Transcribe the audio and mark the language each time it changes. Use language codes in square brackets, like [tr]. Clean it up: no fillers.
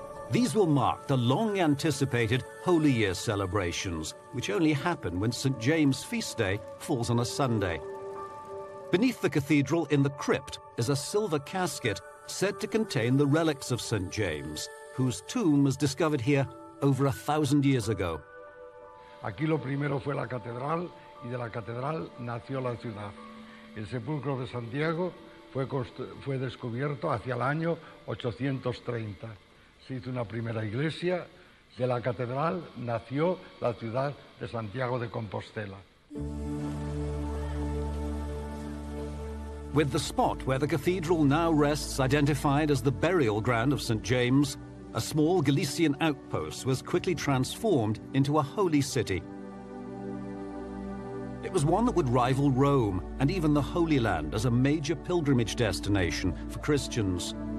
[en] These will mark the long-anticipated Holy Year celebrations, which only happen when St. James' feast day falls on a Sunday. Beneath the cathedral in the crypt is a silver casket said to contain the relics of St. James, whose tomb was discovered here over 1,000 years ago. [es] Aquí lo primero fue la catedral, y de la catedral nació la ciudad. El sepulcro de Santiago fue descubierto hacia el año 830. Se hizo una primera iglesia, de la catedral nació la ciudad de Santiago de Compostela. [en] With the spot where the cathedral now rests identified as the burial ground of St. James, a small Galician outpost was quickly transformed into a holy city. It was one that would rival Rome and even the Holy Land as a major pilgrimage destination for Christians.